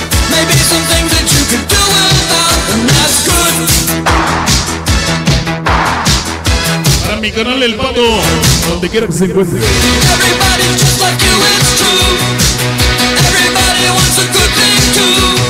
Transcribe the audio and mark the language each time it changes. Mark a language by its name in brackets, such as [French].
[English] Maybe some things that you could do without, and that's good. [Spanish] Para mi canal El Pato, donde quiera que se encuentre. [English] Everybody's just like you, it's true. Everybody wants a good thing too.